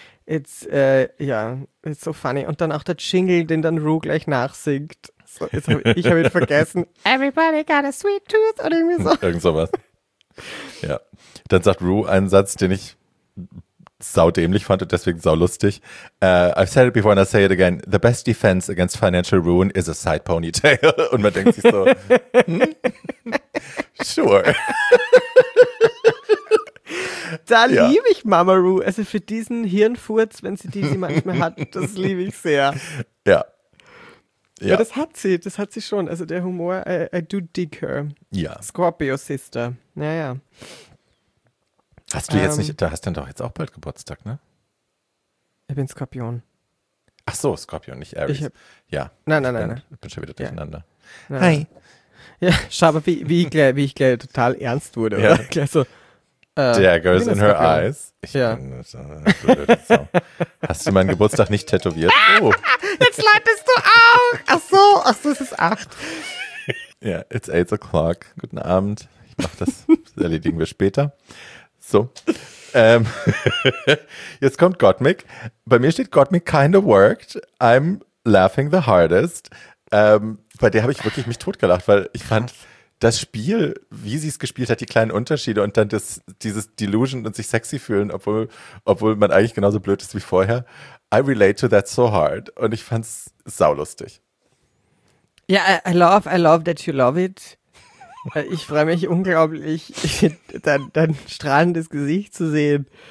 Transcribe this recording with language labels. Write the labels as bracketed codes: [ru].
[de] It's, ja, [en] it's so funny. [de] Und dann auch der Jingle, den dann Rue gleich nachsingt. So, ich hab ihn vergessen. [en] Everybody got a sweet tooth [de] oder irgendwie so. Irgend sowas. Ja. Dann sagt Rue einen Satz, den ich saudämlich fand und deswegen saulustig. [en] I've said it before and I'll say it again. The best defense against financial ruin is a side ponytail. [de] Und man denkt sich so, sure. Da ja. Liebe ich Mama Rue. Also für diesen Hirnfurz, wenn sie die manchmal hat, das liebe ich sehr. Ja. Ja. Ja, das hat sie schon. Also der Humor, [en] I do dig her. [de] Ja. [en] Scorpio Sister. Naja. [de] Hast du jetzt nicht, da hast du dann doch jetzt auch bald Geburtstag, ne? Ich bin Skorpion. Ach so, Skorpion, nicht Aries. Ja. Nein. Ich bin schon wieder durcheinander. Ja. Hi. Ja, schau mal, wie ich gleich total ernst wurde. Ja. Oder? So, [en] Daggers in her Skorpion. Eyes. [de] Ich ja. bin so blöd. So. Hast du meinen Geburtstag nicht tätowiert? Oh. Jetzt läutest du auch. Ach so, es ist 8. [en] Ja, yeah, it's 8 o'clock. [de] Guten Abend. Ich mach das, das erledigen wir später. So, jetzt kommt Gottmik. Bei mir steht Gottmik [en] kinda worked. I'm laughing the hardest. [de] Bei der habe ich wirklich mich totgelacht, weil ich fand das Spiel, wie sie es gespielt hat, die kleinen Unterschiede und dann dieses Delusion und sich sexy fühlen, obwohl man eigentlich genauso blöd ist wie vorher. [en] I relate to that so hard. [de] Und ich fand es saulustig. [en] Ja, yeah, I love that you love it. [de] Ich freue mich unglaublich, dein strahlendes Gesicht zu sehen.